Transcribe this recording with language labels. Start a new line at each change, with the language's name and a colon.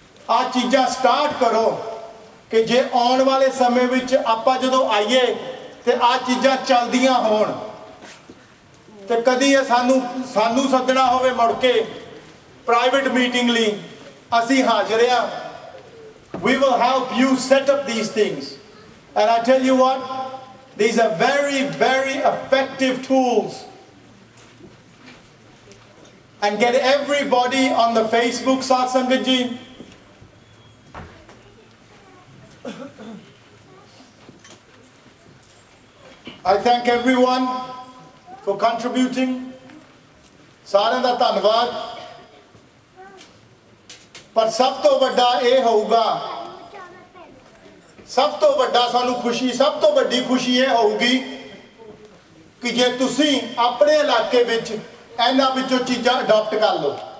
Punjabi: ਆਹ ਚੀਜ਼ਾਂ ਸਟਾਰਟ ਕਰੋ ਕਿ ਜੇ ਆਉਣ ਵਾਲੇ ਸਮੇਂ ਵਿੱਚ ਆਪਾਂ ਜਦੋਂ ਆਈਏ ਤੇ ਆਹ ਚੀਜ਼ਾਂ ਚੱਲਦੀਆਂ ਹੋਣ, ਤੇ ਕਦੀ ਇਹ ਸਾਨੂੰ ਸੱਦਣਾ ਹੋਵੇ ਮੁੜ ਕੇ ਪ੍ਰਾਈਵੇਟ ਮੀਟਿੰਗ ਲਈ, ਅਸੀਂ ਹਾਜ਼ਰ ਆ.
English: We will help you set up these things. And I tell you what, these are very, very effective tools. And get everybody on the Facebook, Satsangaji. I thank everyone for contributing.
Punjabi: Saran da dhanwad. ਪਰ ਸਭ ਤੋਂ ਵੱਡਾ ਇਹ ਹੋਊਗਾ, ਸਭ ਤੋਂ ਵੱਡਾ ਸਾਨੂੰ ਖੁਸ਼ੀ, ਸਭ ਤੋਂ ਵੱਡੀ ਖੁਸ਼ੀ ਇਹ ਹੋਊਗੀ ਕਿ ਜੇ ਤੁਸੀਂ ਆਪਣੇ ਇਲਾਕੇ ਵਿੱਚ ਇਹਨਾਂ ਵਿੱਚੋਂ ਚੀਜ਼ਾਂ ਅਡਾਪਟ ਕਰ ਲਓ.